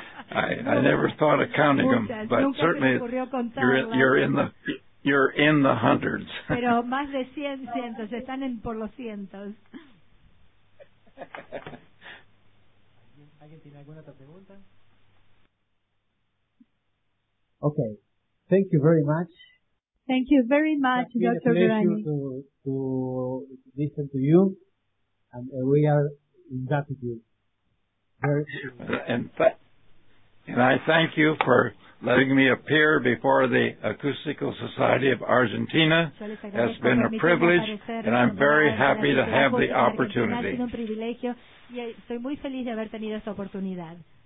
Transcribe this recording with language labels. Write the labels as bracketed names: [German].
[English] I never thought of counting them, but certainly you're in the hundreds. [Spanish] Pero más de 100 cientos, están en por los cientos. ¿Alguien tiene alguna otra pregunta? [English] Okay. Thank you very much. Thank you very much, Dr. Durani. It's been a pleasure to listen to you, and we are in gratitude. Very and I thank you for letting me appear before the Acoustical Society of Argentina. It's been a privilege, and I'm very happy to have the opportunity. [Spanish] Estoy muy feliz de haber tenido esta oportunidad.